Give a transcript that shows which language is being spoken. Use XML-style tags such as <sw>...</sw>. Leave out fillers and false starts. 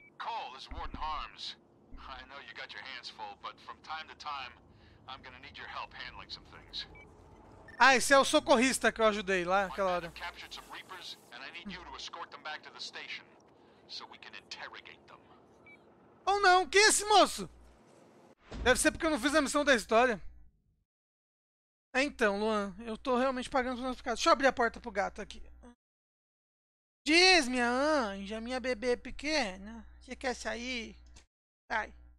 <en>Cole, this is Warden Harms. I know you got your hands full, but from time to time. I'm gonna need your help handling some things.</en> <pt>Ah, esse é o socorrista que eu ajudei lá aquela hora.</pt> <en>Captured some Reapers, and I need you to escort them back to the station so we can interrogate them.</en> <pt>Ou não, quem é esse moço? Deve ser porque eu não fiz a missão da história. Então, Luan, eu tô realmente pagando os meus pecados. Deixa eu abrir a porta pro gato aqui. Diz, minha anja, minha bebê pequena. Você quer sair? Sai.</pt>